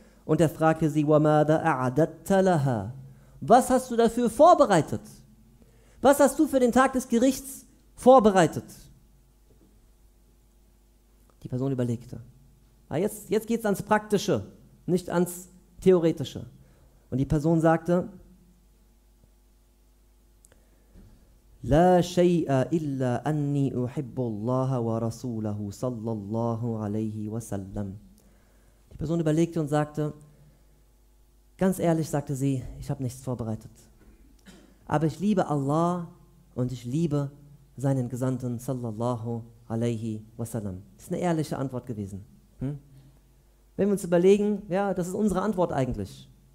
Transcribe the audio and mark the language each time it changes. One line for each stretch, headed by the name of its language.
German: Und er fragte sie,
Arabic: wa ma da a'adatta laha?
German: Was hast du dafür vorbereitet? Was hast du für den Tag des Gerichts vorbereitet? Die Person überlegte. Aber jetzt geht es ans Praktische, nicht ans Theoretische. Und die Person sagte:
Arabic: لا شيء إلا أني أحب الله ورسوله صلى الله عليه وسلم.
German: Die Person überlegte und sagte: Ganz ehrlich, sagte sie, ich habe nichts vorbereitet. Aber ich liebe Allah und ich liebe seinen Gesandten sallallahu alaihi wasallam. Das ist eine ehrliche Antwort gewesen. Wenn wir uns überlegen, ja, das ist unsere Antwort eigentlich.